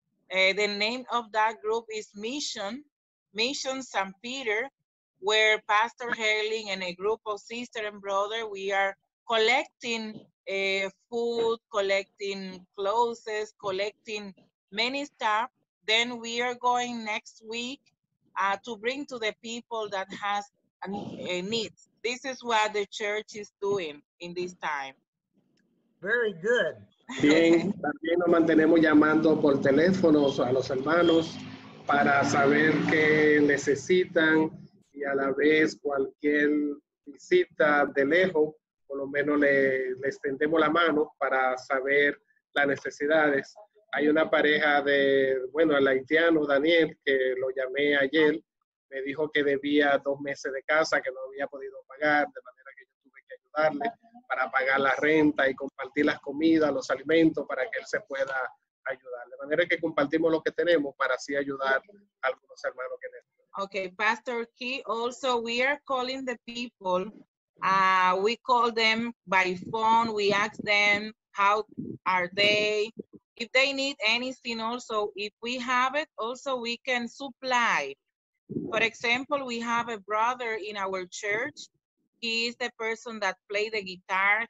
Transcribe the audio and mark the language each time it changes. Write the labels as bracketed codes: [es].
[en] The name of that group is Mission San Peter, where Pastor Jerlin and a group of sister and brother, we are collecting food, collecting clothes, collecting many stuff. Then we are going next week to bring to the people that has a need. This is what the church is doing in this time. Very good. [es] Bien, también nos mantenemos llamando por teléfono a los hermanos para saber qué necesitan y a la vez cualquier visita de lejos, por lo menos le extendemos la mano para saber las necesidades. Hay una pareja de, bueno, el haitiano Daniel, que lo llamé ayer, me dijo que debía 2 meses de casa, que no había podido pagar, de manera que yo tuve que ayudarle para pagar la renta y compartir las comidas, los alimentos, para que él se pueda ayudar. De manera que compartimos lo que tenemos para así ayudar a algunos hermanos que necesitan. [en] Okay, Pastor Key, also we are calling the people. We call them by phone. We ask them, how are they? If they need anything also, if we have it, also we can supply. For example, we have a brother in our church. He is the person that plays the guitar.